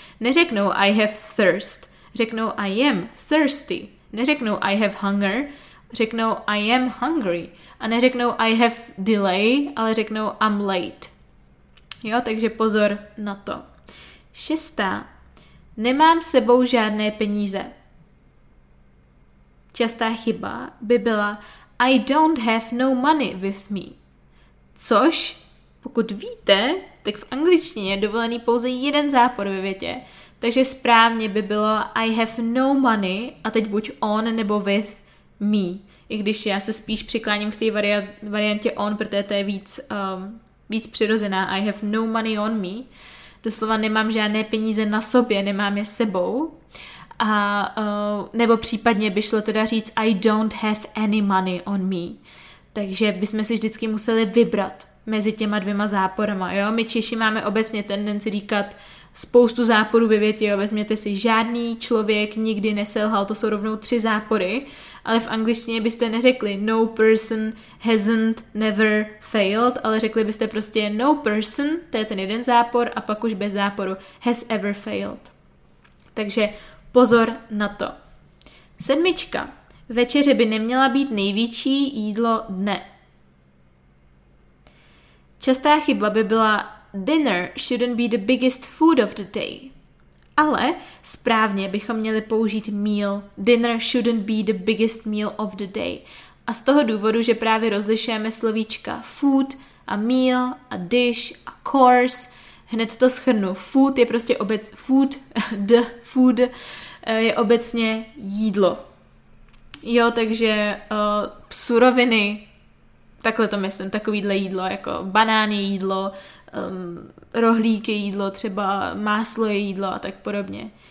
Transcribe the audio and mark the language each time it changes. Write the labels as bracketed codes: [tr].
[cs] Neřeknou [en] I have thirst. [cs] Řeknou [en] I am thirsty. [cs] Neřeknou [en] I have hunger. [cs] Řeknou [en] I am hungry [cs] a neřeknou [en] I have delay, [cs] ale řeknou [en] I'm late. [cs] Jo, takže pozor na to. Šestá. Nemám s sebou žádné peníze. Častá chyba by byla [en] I don't have no money with me. [cs] Což, pokud víte, tak v angličtině je dovolený pouze jeden zápor ve větě. Takže správně by bylo [en] I have no money [cs] a teď buď on nebo [en] with me. [cs] I když já se spíš přikláním k té variantě on, protože to je víc, víc přirozená. [en] I have no money on me. [cs] Doslova nemám žádné peníze na sobě, nemám je sebou. A, nebo případně by šlo teda říct [en] I don't have any money on me. [cs] Takže bychom si vždycky museli vybrat mezi těma dvěma záporama. Jo? My Češi máme obecně tendenci říkat spoustu záporů ve větě, jo, vezměte si, žádný člověk nikdy neselhal, to jsou rovnou tři zápory, ale v angličtině byste neřekli [en] no person hasn't never failed, [cs] ale řekli byste prostě [en] no person, [cs] to je ten jeden zápor a pak už bez záporu [en] has ever failed. [cs] Takže pozor na to. Sedmička. Večeře by neměla být největší jídlo dne. Častá chyba by byla [en] dinner shouldn't be the biggest food of the day. [cs] Ale správně bychom měli použít meal. [en] Dinner shouldn't be the biggest meal of the day. [cs] A z toho důvodu, že právě rozlišujeme slovíčka food a meal a dish a course, hned to shrnu. Food je prostě food je obecně jídlo. Jo, takže suroviny, takhle to myslím, takovýhle jídlo, jako banány jídlo, rohlíky jídlo, třeba máslo je jídlo a tak podobně.